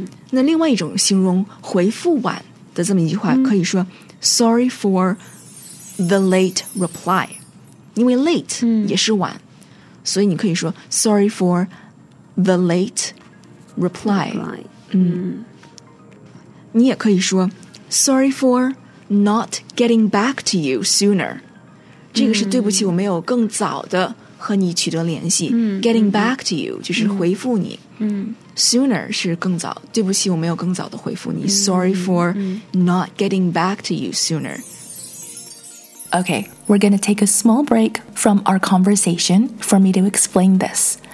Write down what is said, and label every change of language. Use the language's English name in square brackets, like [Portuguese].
[Chinese] 那另外一种形容回复晚的这么一句话，可以说 [English] Sorry for the late reply， [Chinese] 因为 late 也是晚，所以你可以说 Sorry for the late reply。你也可以说 [English] Sorry for not getting back to you sooner， [Chinese] 这个是对不起我没有更早的和你取得联系。 Getting back to you 就是回复你。 Sooner 是更早，对不起我没有更早的回复你。 [English] Sorry for not getting back to you sooner. Okay, we're gonna take a small break from our conversation for me to explain this.